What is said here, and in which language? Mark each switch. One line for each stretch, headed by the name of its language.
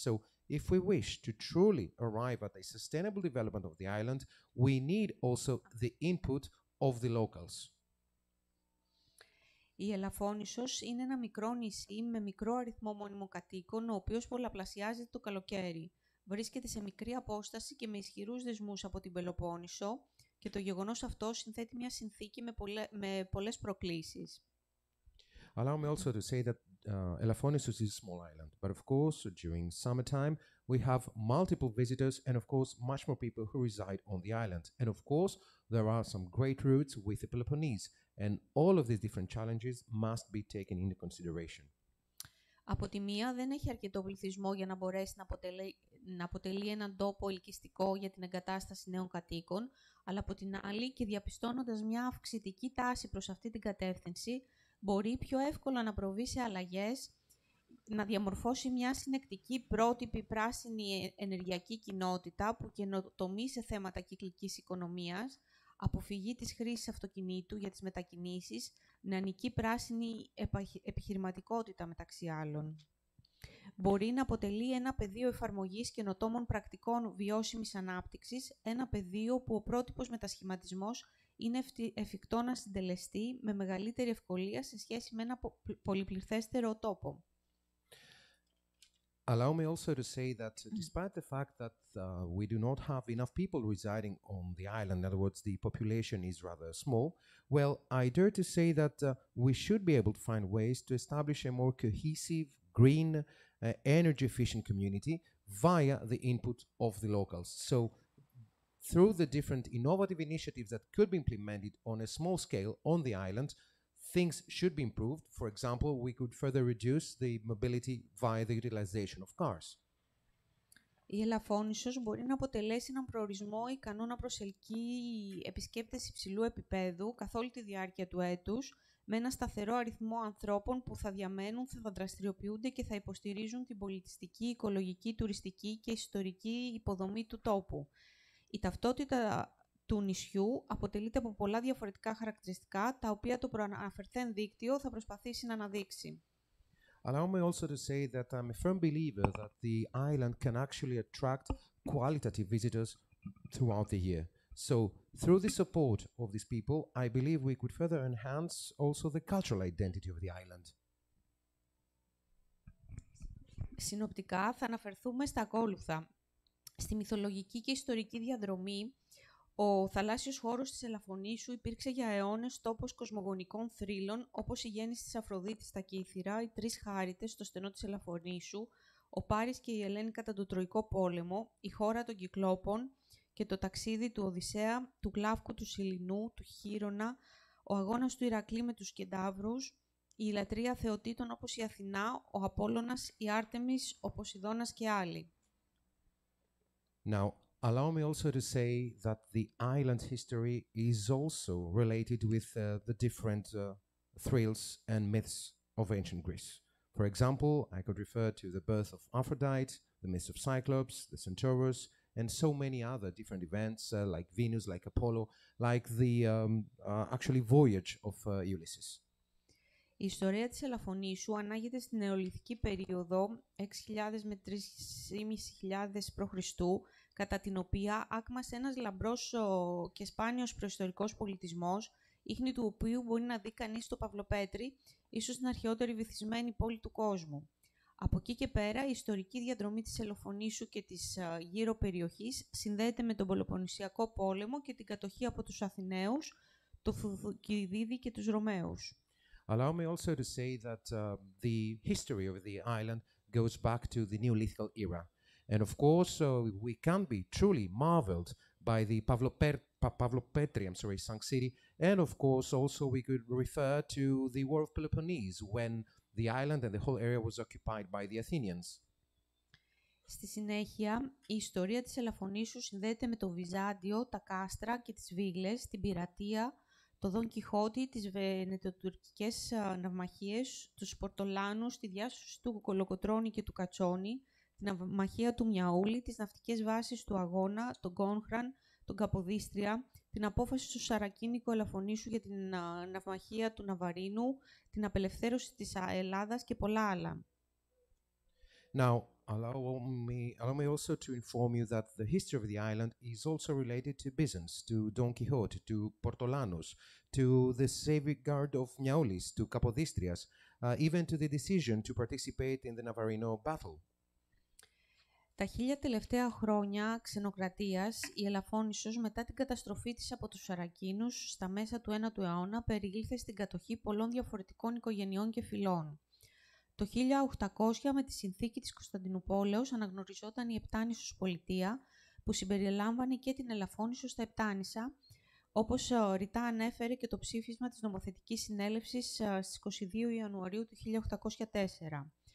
English: So if we wish to truly arrive at a sustainable development of the island, we need also the input of the locals.
Greek: Η Ελαφώνησος είναι ένα μικρό νησί με μικρό αριθμό μόνιμων κατοίκων, ο οποίος πολλαπλασιάζεται το καλοκαίρι. βρίσκεται σε μικρή απόσταση και με ισχυρούς δεσμούς από την Πελοπόννησο και το γεγονός αυτό συνθέτει μια συνθήκη με πολλές προκλήσεις.
English: Allow me also to say that Elafonisos is a small island, but of course during summertime we have multiple visitors and of course much more people who reside on the island. And of course there are some great routes with the Peloponnese and all of these different challenges must be taken into consideration.
Greek: Από τη μία δεν έχει αρκετό πληθυσμό για να μπορέσει να αποτελεί έναν τόπο ελκυστικό για την εγκατάσταση νέων κατοίκων, αλλά από την άλλη και διαπιστώνοντας μια αυξητική τάση προς αυτή την κατεύθυνση, μπορεί πιο εύκολα να προβεί σε αλλαγές, να διαμορφώσει μια συνεκτική πρότυπη πράσινη ενεργειακή κοινότητα που καινοτομεί σε θέματα κυκλικής οικονομίας, αποφυγή της χρήσης αυτοκινήτου για τις μετακινήσεις, νεανική πράσινη επιχειρηματικότητα μεταξύ άλλων. Μπορεί να αποτελεί ένα πεδίο εφαρμογής καινοτόμων πρακτικών βιώσιμης ανάπτυξης, ένα πεδίο που ο πρότυπος μετασχηματισμός είναι εφικτό να συντελεστεί με μεγαλύτερη ευκολία σε σχέση με ένα πολυπληθέστερο τόπο.
English: Allow me also to say that despite the fact that we do not have enough people residing on the island, in other words, the population is rather small, well, I dare to say that we should be able to find ways to establish a more cohesive, green, energy-efficient community via the input of the locals. So through the different innovative initiatives that could be implemented on a small scale on the island, things should be improved. For example, we could further reduce the mobility via the utilization of cars.
Greek: Η Ελαφώνησος μπορεί να αποτελέσει έναν προορισμό ικανό να προσελκύει επισκέπτες υψηλού επίπεδου καθ' όλη τη διάρκεια του έτους, με ένα σταθερό αριθμό ανθρώπων που θα διαμένουν, θα δραστηριοποιούνται και θα υποστηρίζουν την πολιτιστική, οικολογική, τουριστική και ιστορική υποδομή του τόπου. Η ταυτότητα του νησιού αποτελείται από πολλά διαφορετικά χαρακτηριστικά, τα οποία το προαναφερθέν δίκτυο θα προσπαθήσει να αναδείξει.
English: Allow me also to say that I'm a firm believer that the island can actually attract qualitative visitors throughout the year. So through the support of these people, I believe we could further enhance also the cultural identity of the island.
Greek: Συνοπτικά θα αναφερθούμε στα ακόλουθα. Στη μυθολογική και ιστορική διαδρομή, ο θαλάσσιος χώρος της Ελαφωνήσου υπήρξε για αιώνες τόπος κοσμογονικών θρύλων, όπως η γέννηση της Αφροδίτης στα Κύθυρα, οι τρεις χάριτες στο στενό της Ελαφωνήσου, ο Πάρης και η Ελένη κατά τον Τροϊκό Πόλεμο, η χώρα των Κυκλόπων και το ταξίδι του Οδυσσέα, του Γλαύκου, του Σιλινού, του Χίρονα, ο αγώνας του Ηρακλή με τους Κεντάβρους, η λατρεία θεοτήτων όπως η Αθηνά, ο Απόλλωνας, η Άρτεμις, ο Ποσειδώνας και άλλοι.
English: Now, allow me also to say that the island's history is also related with the different thrills and myths of ancient Greece. For example, I could refer to the birth of Aphrodite, the myths of Cyclops, the Centaurus, and so many other different events like Venus, like Apollo, like the actually voyage of Ulysses.
Greek: Η ιστορία της Ελαφωνήσου ανάγεται στην νεολιθική περίοδο 6.000 με 3.500 π.Χ., κατά την οποία άκμασε ένας λαμπρός και σπάνιος προϊστορικός πολιτισμός, ίχνη του οποίου μπορεί να δει κανείς στο Παυλοπέτρι, ίσως την αρχαιότερη βυθισμένη πόλη του κόσμου. Από εκεί και πέρα, η ιστορική διαδρομή της Ελαφωνήσου και της γύρω περιοχής συνδέεται με τον Πελοποννησιακό πόλεμο και την κατοχή από τους Αθηναίους, το Θουκυδίδη και τους Ρωμαίους.
English: Allow me also to say that the history of the island goes back to the Neolithic era. And of course, we can be truly marveled by the Pavlopetri sunk city. And of course, also we could refer to the War of Peloponnese when the island and the whole area was occupied by the Athenians.
Greek: Στη συνέχεια, η ιστορία της Ελαφωνήσου συνδέεται με το Βυζάντιο, τα κάστρα και τις βίγλες, την πειρατεία, το Δον Κιχώτη, τις βενετοτουρκικές ναυμαχίες, τους Πορτολάνους, τη διάσωση του Κολοκοτρώνη και του Κατσόνη, την ναυμαχία του Μιαούλη, τις ναυτικές βάσεις του Αγώνα, τον Κόνχραν, τον Καποδίστρια, την απόφαση του Σαρακίνικου Ελαφωνήσου για την ναυμαχία του Ναβαρίνου, την απελευθέρωση της Ελλάδας και πολλά άλλα.
English: Now. Allow me also to inform you that the history of the island is also related to Byzance, to Don Quixote, to Portolanos, to the safeguard of Miaulis, to Capodistrias, even to the decision to participate in the Navarino battle.
Greek: Τα 1000 τελευταία χρόνια ξενοκρατίας, η Ελαφόνησος, μετά την καταστροφή της από τους Σαρακίνους στα μέσα του 1ου αιώνα, περιήλθε στην κατοχή πολλών διαφορετικών οικογενειών και φυλών. Το 1800, με τη συνθήκη της Κωνσταντινούπολεως, αναγνωριζόταν η Επτάνησος πολιτεία, που συμπεριλάμβανε και την Ελαφόνησο στα Επτάνησα, όπως ρητά ανέφερε και το ψήφισμα της νομοθετικής συνέλευσης στις 22 Ιανουαρίου του 1804.